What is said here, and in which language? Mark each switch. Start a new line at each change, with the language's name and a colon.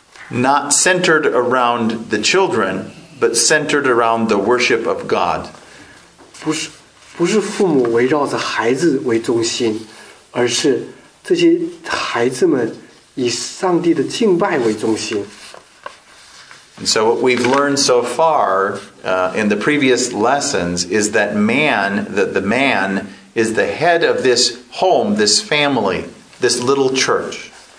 English: Not centered around the children, but centered around the worship of God.
Chinese: 不是父母围绕着孩子为中心，而是这些孩子们以上帝的敬拜为中心。
English: And so what we've learned so far in the previous lessons is that man, that the man is the head of this home, this family, this little church.